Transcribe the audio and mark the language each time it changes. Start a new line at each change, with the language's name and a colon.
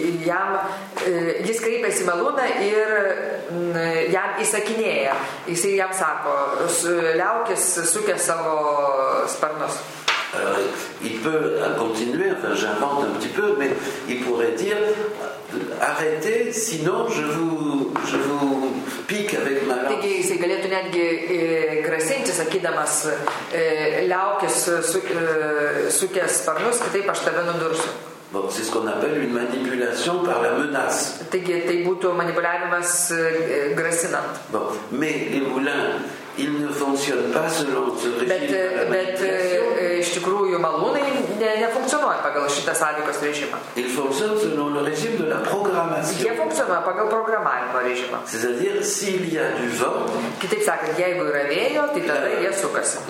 Lithuanian: Jis kreipiasi į malūną ir jam įsakinėja. Jisai jam sako, liaukis sukė savo sparnus.
French: Il peut continuer, enfin j'invente un petit peu, mais il pourrait dire arrêtez, sinon je vous pique avec ma lance.
Lithuanian: Taigi jisai galėtų netgi grasinti, sakydamas liaukis sukė sparnus, kitaip aš tave nudursiu.
French: Bon, c'est ce qu'on appelle une manipulation par la menace.
Lithuanian: Taigi, tai būtų manipuliavimas grasinant.
French: Bon, mais les moulins, ils ne fonctionnent pas selon ce régime de la manipulation.
Lithuanian: Bet iš tikrųjų malūnai nefunkcionuoja pagal šitą sąveikos režimą.
French: Ils fonctionnent selon le régime de la programmation.
Lithuanian: Jie fonctionnoja pagal programavimo režimą.
French: C'est-à-dire, s'il y a du vent,
Lithuanian: kitaip sakant, jeigu yra vėjo, tai tada jie sukasi.